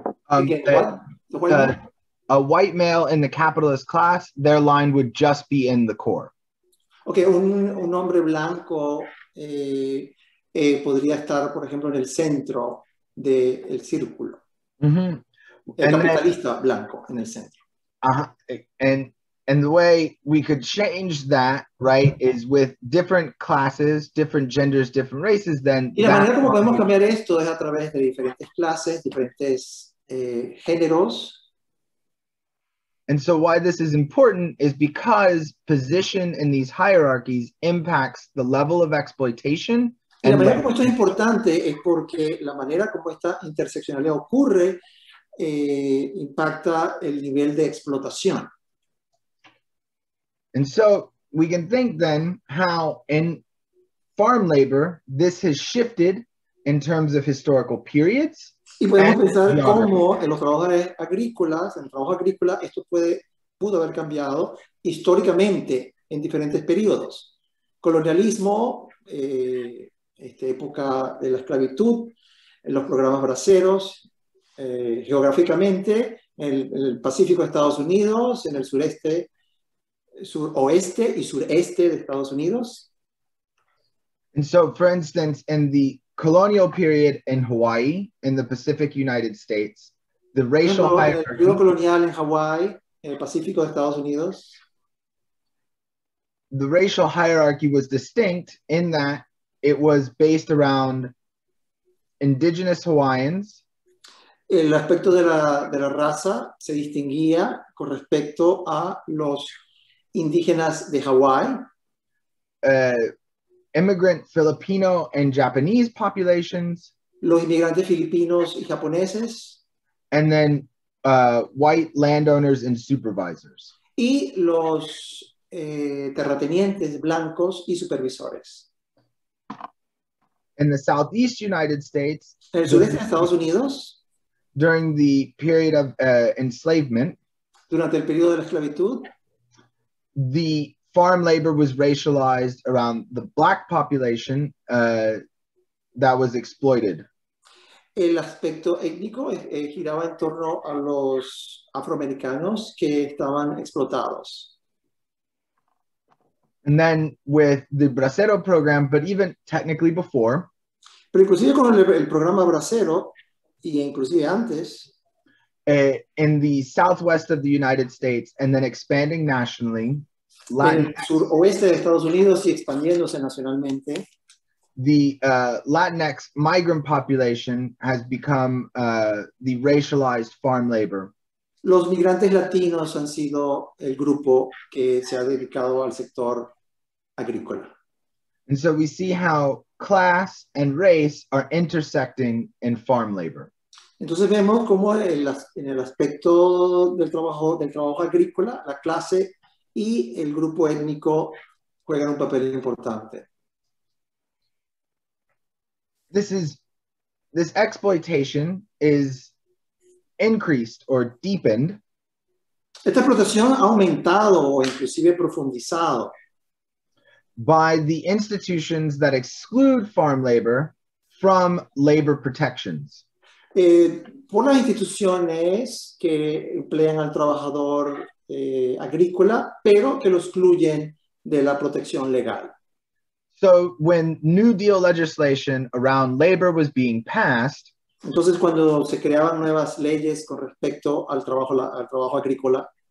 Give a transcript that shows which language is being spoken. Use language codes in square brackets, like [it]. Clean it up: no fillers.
[en] a white male in the capitalist class, their line would just be in the core. [es] Okay, un hombre blanco podría estar, por ejemplo, en el centro del círculo. Mm-hmm. El capitalista [en] then, [es] blanco en el centro. Uh-huh. [en] And the way we could change that, right, is with different classes, different genders, different races, then... [es] Y la manera como podemos cambiar esto es a través de diferentes clases, diferentes géneros. [en] And so why this is important is because position in these hierarchies impacts the level of exploitation. [es] La manera como esto es importante es porque la manera como esta interseccionalidad ocurre impacta el nivel de explotación. [en] And so we can think then how in farm labor this has shifted in terms of historical periods. [es] Y podemos pensar cómo en los trabajadores agrícolas, en el trabajo agrícola, esto pudo haber cambiado históricamente en diferentes periodos. Colonialismo, época de la esclavitud, los programas braceros, geográficamente, en el Pacífico de Estados Unidos, en el sureste, suroeste y sureste de Estados Unidos. [en] And so, for instance, in the colonial period in Hawaii, in the Pacific United States, the racial hierarchy. [es] El colonial en Hawaii, en el Pacífico de Estados Unidos. [en] The racial hierarchy was distinct in that it was based around indigenous Hawaiians. [es] El aspecto de la raza se distinguía con respecto a los indígenas de Hawaii. [en] Immigrant Filipino and Japanese populations. [es] Los inmigrantes filipinos y japoneses. [en] And then white landowners and supervisors. [es] Y los terratenientes blancos y supervisores. [en] In the Southeast United States. [es] En el sureste de Estados Unidos. [en] During the period of enslavement. [es] Durante el periodo de la esclavitud. [en] The farm labor was racialized around the black population that was exploited. [es] El aspecto étnico giraba en torno a los afroamericanos que estaban explotados. [en] And then with the bracero program, but even technically before. [es] Pero inclusive con el programa bracero y inclusive antes. [en] In the southwest of the United States and then expanding nationally. [es] Latin, en el suroeste de Estados Unidos y expandiéndose nacionalmente. [en] The Latinx migrant population has become the racialized farm labor. [es] Los migrantes latinos han sido el grupo que se ha dedicado al sector agrícola. [en] And so we see how class and race are intersecting in farm labor. [es] Entonces vemos cómo en el aspecto del trabajo agrícola, la clase y el grupo étnico juegan un papel importante. [en] This exploitation is increased or deepened. [es] Esta explotación ha aumentado o inclusive profundizado. [en] By the institutions that exclude farm labor from labor protections. [es] Por las instituciones que emplean al trabajador agrícola, pero que lo excluyen de la protección legal. [en] So when New Deal legislation around labor was being passed, [es] entonces cuando se creaban nuevas leyes con respecto al trabajo agrícola,